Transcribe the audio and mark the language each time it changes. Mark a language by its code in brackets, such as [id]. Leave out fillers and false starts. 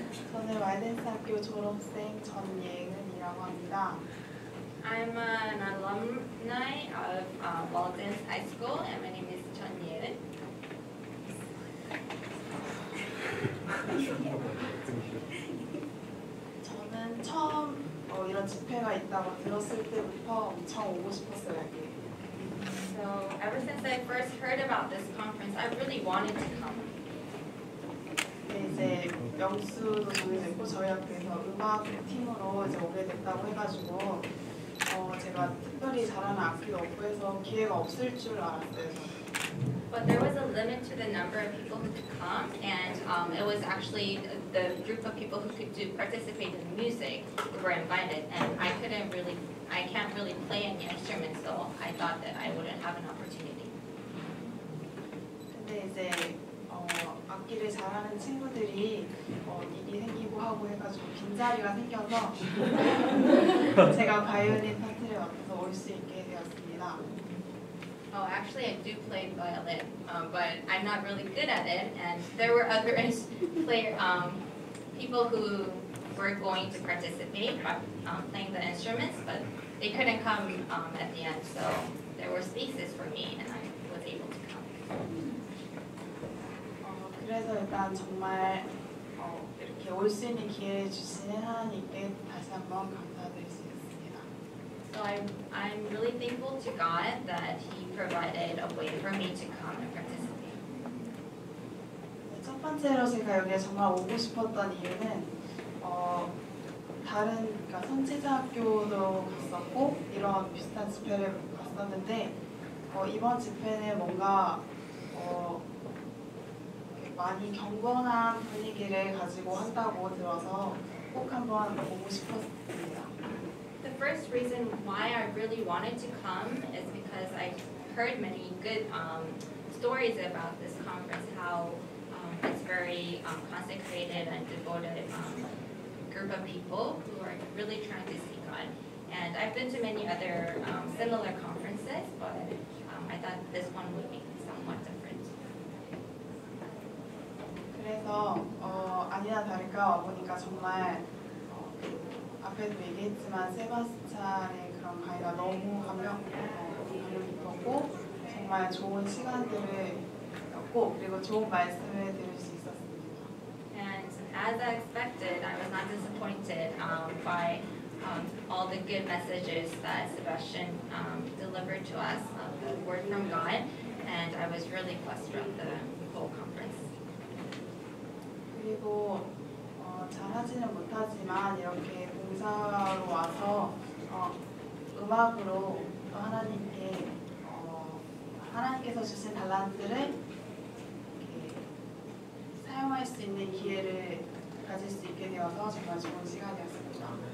[ko] 저는 와이덴스 학교 졸업생 전예은이라고 합니다. [en] I'm an alumni of Walden's High School and my name is 전예은. [ko] 저는 처음 이런 집회가 있다고 들었을 때부터 엄청 오고 싶었어요. 여기. [en] So ever since I first heard about this conference, I really wanted to come. [ko] 네, 이제 영수도 오게 됐고 저희 학교에서 음악 팀으로 이제 오게 됐다고 해가지고 제가 특별히 잘하는 악기도 없고 해서 기회가 없을 줄 알았어요. [en] But there was a limit to the number of people who could come, and it was actually the group of people who could participate in music who were invited, and I can't really play any instruments, so I thought that I wouldn't have an opportunity. [ko] 근데 이제 악기를 잘하는 친구들이 일이 생기고 하고 해가지고 빈 자리가 생겨서 제가 바이올린 파트를 맡아서 올 수 있게 되었습니다. [en] Oh, actually, I do play violin, but I'm not really good at it. And there were other people who were going to participate playing the instruments, but they couldn't come at the end. So there were spaces for me, and I was able to come. [ko] 그래서 일단 정말 이렇게 올 수 있는 기회 주신 하나님께 다시 한번 감사드리겠습니다. [en] So I'm really thankful to God that He provided a way for me to come and participate. [ko] 첫 번째로 제가 여기에 정말 오고 싶었던 이유는 다른 그러니까 선지자 학교도 갔었고 이런 비슷한 집회를 갔었는데 이번 집회는 뭔가 많이 경건한 분위기를 가지고 한다고 들어서 꼭 한번 보고 싶었습니다. [en] The first reason why I really wanted to come is because I heard many good stories about this conference, how it's very consecrated and devoted group of people who are really trying to seek God. And I've been to many other similar conferences, but I thought this one would be somewhat different. [ko] 그래서 아니나 다를까 와보니까 정말 앞에도 얘기했지만 세바스찬의 그런 강의가 너무 감명 깊었고 정말 좋은 시간들을 갖고 그리고 좋은 말씀을 들을 수 있었습니다. [en] And as I expected, I was not disappointed by all the good messages that Sebastian delivered to us, the word from God, and I was really blessed from the whole conference. [ko] 그리고 잘하지는 못하지만 이렇게 봉사로 와서 음악으로 또 하나님께 하나님께서 주신 달란트를 사용할 수 있는 기회를 가질 수 있게 되어서 정말 좋은 시간이었습니다.